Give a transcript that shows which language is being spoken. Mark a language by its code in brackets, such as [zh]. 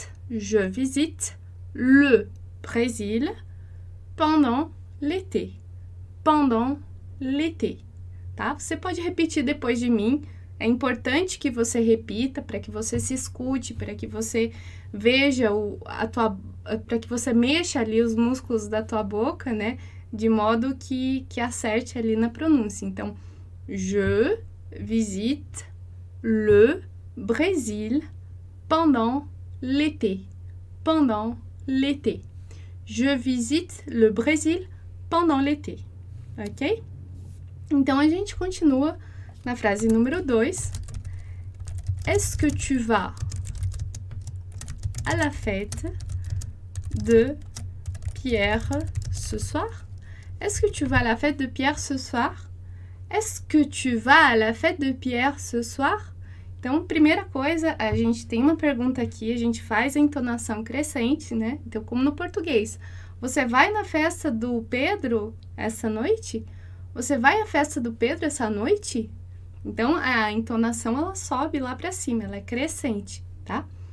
[fr] Je visite le Brésil pendant l'été. Pendant l'été, [pt] tá? Você pode repetir depois de mim. É importante que você repita para que você se escute, para que você veja para que você mexa ali os músculos da tua boca, né? De modo que acerte ali na pronúncia. [fr] Então, je visite le Brésil pendant l'été. Pendant l'été. Je visite le Brésil pendant l'été. Ok? [pt] Então a gente continua. Na frase número 2, [fr] est-ce que tu vas à la fête de Pierre ce soir? Est-ce que tu vas à la fête de Pierre ce soir? Est-ce que tu vas à la fête de Pierre ce soir? [pt] Então, primeira coisa, a gente tem uma pergunta aqui, a gente faz a entonação crescente, né? Então, como no português, você vai na festa do Pedro essa noite? Você vai à festa do Pedro essa noite? Então, a entonação ela sobe lá para cima, ela é crescente, tá?